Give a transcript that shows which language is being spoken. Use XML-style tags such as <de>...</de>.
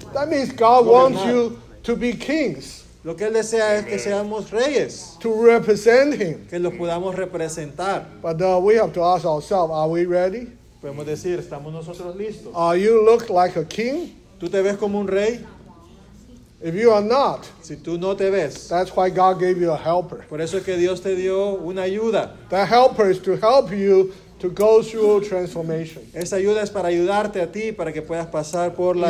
<en>That means God wants you to be kings.</en> <es>Lo que él desea es que seamos reyes.</es> <en>To represent him.</en> <es>Que lo podamos representar.</es> <en>But we have to ask ourselves, are we ready?</en> <es>Podemos decir, ¿estamos nosotros listos?</es> <en>Are you look like a king?</en> <es>¿Tú te ves como un rey?</es> <en>If you are not,</en> <es>si tú no te ves,</es> <en>that's why God gave you a helper.</en> <es>Por eso es que Dios te dio una ayuda.</es> <en>The helper is to help you to go through transformation.</en> <es>Esa ayuda es para ayudarte a ti para que puedas pasar por la</es>